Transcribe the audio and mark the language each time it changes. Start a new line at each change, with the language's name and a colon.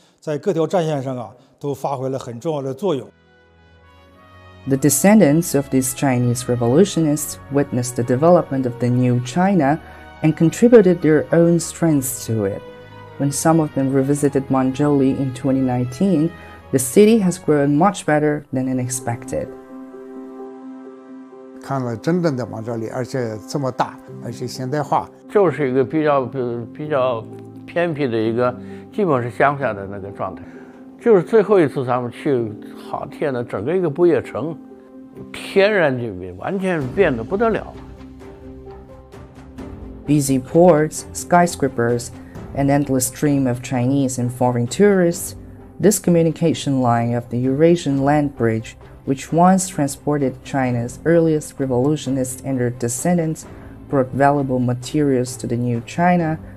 Chinese: 在各条战线上啊，都发挥了很重要的作用。
English: The descendants of these Chinese revolutionists witnessed the development of the new China and contributed their own strengths to it. When some of them revisited Manzhouli in 2019, the city has grown much better than expected.
Chinese: 看了真正的满洲里，而且这么大，而且现代化，就是一个比较偏僻的一个。基本是乡下的那个状态，就是最后一次咱们去，好天哪，整个一个不夜城，天然就变，完全变得不得了。
English: Busy ports, skyscrapers, an endless stream of Chinese and foreign tourists, this communication line of the Eurasian Land Bridge, which once transported China's earliest revolutionists and their descendants, brought valuable materials to the new China.